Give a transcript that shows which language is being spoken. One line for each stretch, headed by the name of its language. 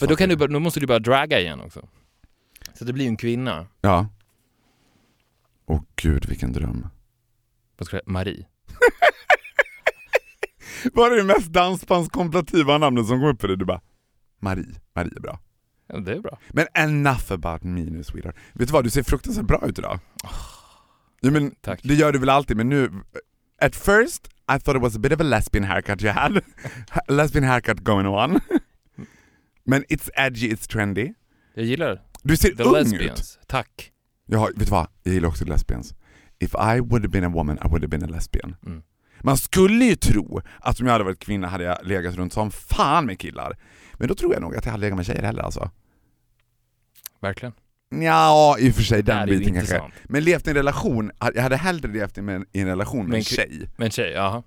Swedish: För då måste du bara draga igen också. Så det blir en kvinna. Ja. Åh gud, vilken dröm. Vad ska jag säga? Marie. Vad är det mest dansbandskompativa namnet som kom upp för dig? Du bara, Marie är bra. Ja, det är bra.
English: Men enough about me, nu, sweetheart.
Swedish: Vet du vad, du ser fruktansvärt bra ut idag. Ja, men tack. Det gör du väl alltid, men nu...
English: At first, I thought it was a bit of a lesbian haircut you had. Lesbian haircut going on. Men it's edgy, it's trendy.
Swedish: Jag gillar det. Du ser
English: the
Swedish: ung
English: lesbians.
Swedish: Ut. Tack. Ja, vet du vad, jag gillar också lesbians.
English: If I would have been a woman, I would have been a lesbian. Mm.
Swedish: Man skulle ju tro att om jag hade varit kvinna hade jag legat runt som fan med killar. Men då tror jag nog att jag hade legat med tjejer heller alltså. Verkligen? Ja, i och för sig den biten kanske. Men levt i en relation, jag hade hellre levt i en relation med en tjej. Med en tjej, ja.